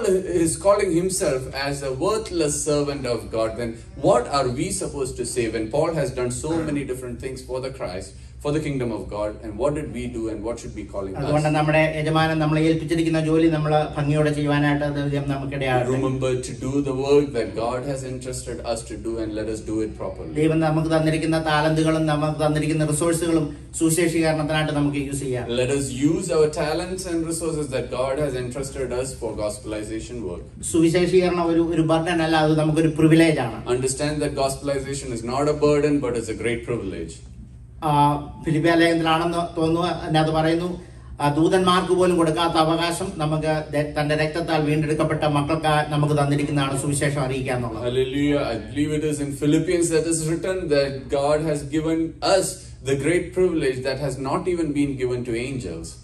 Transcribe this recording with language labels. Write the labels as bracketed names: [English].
[English] If Paul is calling himself as a worthless servant of God, then what are we supposed to say when Paul has done so many different things for the Christ, for the kingdom of God, and what did we do and what should be calling us? [Malayalam] അതുകൊണ്ട് നമ്മുടെ യജമാനൻ നമ്മളെ ഏൽപ്പിച്ചിരിക്കുന്ന ജോലി നമ്മൾ ഭംഗിയോടെ ചെയ്യുവാനായിട്ട് ദൈവം നമുക്കിടയാണ്. [English] Remember to do the work that God has entrusted us to do and let us do it properly. [Malayalam] ദൈവം നമുക്ക് തന്നിരിക്കുന്ന താലന്തുകളും നമുക്ക് തന്നിരിക്കുന്ന റിസോഴ്സുകളും സുവിശേഷീകരണത്തിനായിട്ട് നമുക്ക് യൂസ് ചെയ്യാം. [English] Let us use our talents and resources that God has entrusted us for gospelization work. [Malayalam] സുവിശേഷീകരണം ഒരു burden അല്ല, അത് നമുക്കൊരു പ്രിവിലേജ് ആണ്. [English] Understand that gospelization is not a burden but is a great privilege. [Malayalam] ഫിലിപ്പിയാലയത്തിലാണെന്ന് തോന്നുന്നു അത് പറയുന്നു, ദൂതന്മാർക്ക് പോലും കൊടുക്കാത്ത അവകാശം നമുക്ക് തന്റെ രക്തത്താൽ വീണ്ടെടുക്കപ്പെട്ട മക്കൾക്ക് നമുക്ക് തന്നിരിക്കുന്നതാണ് സുവിശേഷം അറിയിക്കുക എന്നുള്ളത്. [English] Hallelujah. I believe it is in Philippians that is written that God has given us the great privilege that has not even been given to angels.